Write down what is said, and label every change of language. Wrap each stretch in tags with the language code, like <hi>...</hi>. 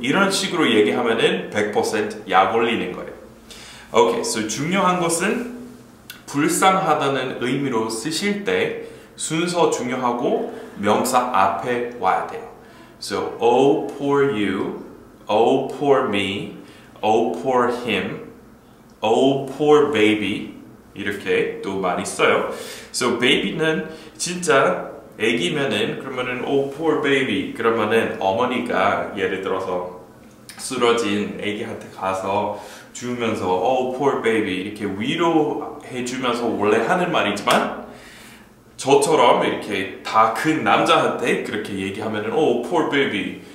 <ko>이런 식으로 얘기하면은 100% 약 올리는 거예요. Okay, so 중요한 것은 불쌍하다는 의미로 쓰실 때 순서 중요하고 명사 앞에 와야 돼요.</ko> <en>So, oh, poor you, oh, poor me, oh, poor him, oh, poor baby 이렇게 또 많이 써요.</en> <ko>So, baby는 진짜 애기면은 그러면은 oh, poor baby 그러면은 어머니가 예를 들어서 쓰러진 애기한테 가서 주면서 oh, poor baby 이렇게 위로해주면서 원래 하는 말이지만 저처럼 이렇게 다 큰 남자한테 그렇게 얘기하면은 Oh, poor baby.</ko>